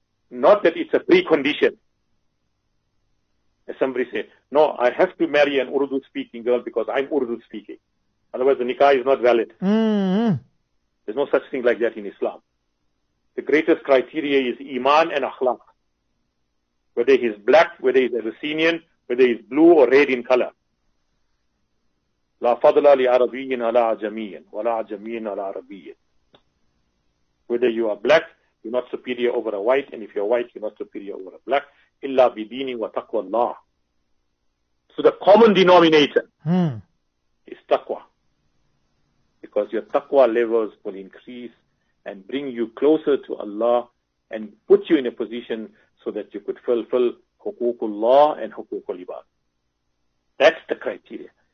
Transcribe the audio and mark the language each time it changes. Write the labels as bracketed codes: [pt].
[en] Not that it's a precondition. As somebody said, no, I have to marry an Urdu-speaking girl because I'm Urdu-speaking. Otherwise, the nikah is not valid. Mm-hmm. There's no such thing like that in Islam. The greatest criteria is iman and akhlaq. Whether he's black, whether he's Abyssinian, whether he's blue or red in color. [ar] لا فضل لعربي على عجمي ولا عجمي على عربي. [en] Whether you are black, you're not superior over a white, and if you're white, you're not superior over a black. [ar] إلا بديني وتقوى الله. [en] So the common denominator is taqwa. Because your taqwa levels will increase and bring you closer to Allah and put you in a position so that you could fulfill hukukullah and hukukul ibad. That's the criteria.